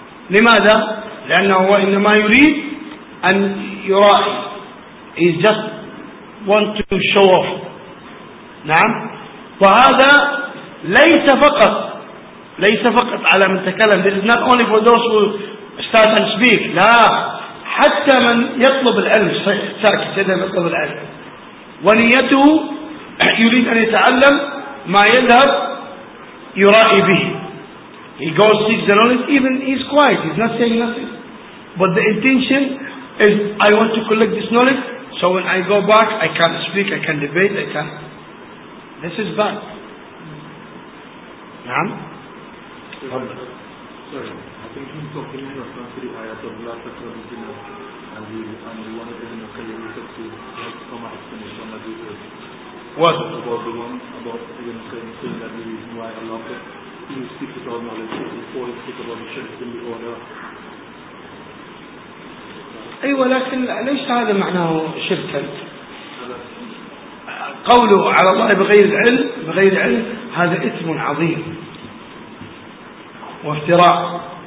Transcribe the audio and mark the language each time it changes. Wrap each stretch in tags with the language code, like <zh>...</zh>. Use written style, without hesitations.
<ar>لماذا؟ لأنه هو إنما يريد أن يرائي.</ar> <en>He just want to show off.</en> <ar>نعم. وهذا ليس فقط ليس فقط على من تكلم.</ar> <en>This is not only for those who start and speak.</en> <ar>لا, حتى من يطلب العلم ساكت جدا يطلب العلم ونيته يريد أن يتعلم ما يذهب يرائي به.</ar> <en>He goes seeks the knowledge, even he's quiet, he's not saying nothing. But the intention is, I want to collect this knowledge, so when I go back, I can't speak, I can't debate, I can't. This is bad.</en> <ar>Naam?</ar> <en>Sir, I think he's talking in reference to the ayat of Allah, and he wanted to know, okay, you said to have some explanation as it is. What? About the one, about the saying that the reason why Allah said, you speak with all knowledge before you speak about the shirk in the order.</en> <ar>أيوة, لكن ليش هذا معناه شركا؟ قوله على الله بغير العلم, بغير علم, هذا إثم عظيم وافتراء.</ar>